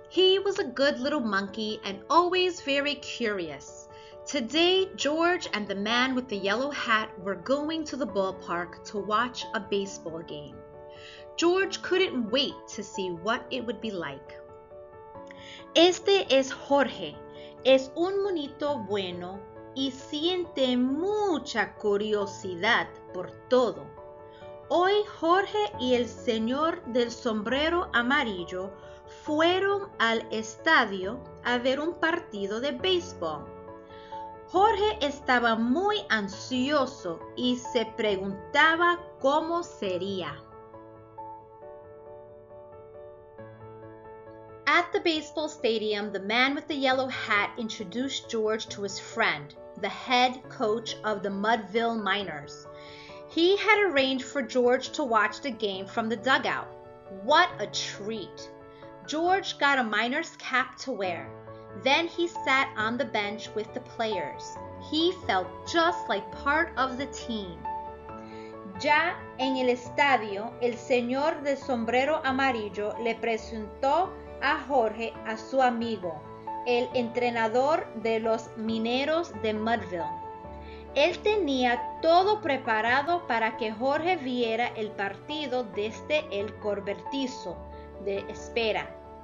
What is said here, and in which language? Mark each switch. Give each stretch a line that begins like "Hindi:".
English: He was a good little monkey and always very curious. Today, George and the man with the yellow hat were going to the ballpark to watch a baseball game. George couldn't wait to see what it would be like.
Spanish: Este es Jorge. Es un monito bueno y siente mucha curiosidad por todo. Hoy Jorge y el señor del sombrero amarillo fueron al estadio a ver un partido de béisbol. Jorge estaba muy ansioso y se preguntaba cómo sería.
English: At the baseball stadium, the man with the yellow hat introduced George to his friend, the head coach of the Mudville Miners. He had arranged for George to watch the game from the dugout. What a treat! George got a miner's cap to wear. Then he sat on the bench with the players. He felt just like part of the team.
Spanish: Ya en el estadio, el señor de sombrero amarillo le presentó a Jorge a su amigo, el entrenador de los mineros de Mudville. Él tenía todo preparado para que Jorge viera el partido desde el cobertizo de espera.